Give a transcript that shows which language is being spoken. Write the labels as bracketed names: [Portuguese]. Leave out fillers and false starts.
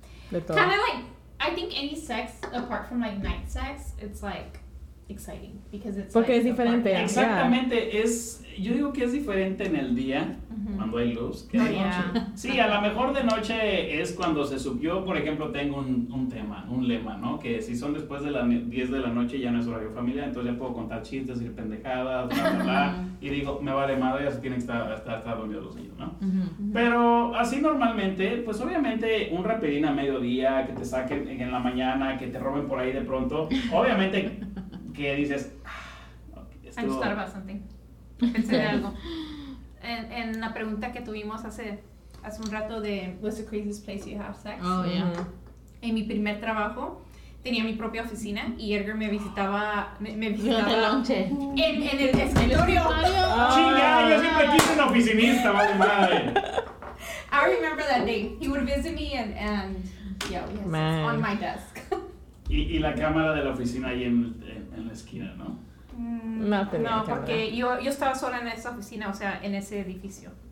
[English] Kind of like, I think any sex apart from like night sex, it's like exciting because it's [Spanish] porque [English] like [Spanish] es diferente. Apart. Exactamente, [English] yeah. [Spanish] Es, yo digo que es diferente en el día, mm-hmm, cuando hay luz, que de noche. Sí, a lo mejor de noche es cuando se subió, por ejemplo, tengo un tema, un lema, ¿no? Que si son después de las 10 de la noche ya no es horario familiar, entonces ya puedo contar chistes y pendejadas, bla, bla, bla. Y digo, me vale madre, ya se tienen que estar dormidos los niños, ¿no? Mm-hmm. Pero así normalmente, pues obviamente un rapidín a mediodía, que te saquen en la mañana, que te roben por ahí de pronto, obviamente que dices, [English] I'm just thought about something. [Spanish] Pensé de algo. En la pregunta que tuvimos hace un rato de [English] what's the craziest place you have sex? Oh, yeah. Mm-hmm. [Spanish] En mi primer trabajo tenía mi propia oficina y Edgar me visitaba. Me visitaba en el escritorio. Chinga, yo siempre quise un oficinista, madre. [English] I remember that day. He would visit me and yeah, we had sex on my desk. [Spanish] Y la cámara de la oficina ahí en la esquina, ¿no? No, no, porque yo estaba sola en esa oficina, o sea, en ese edificio.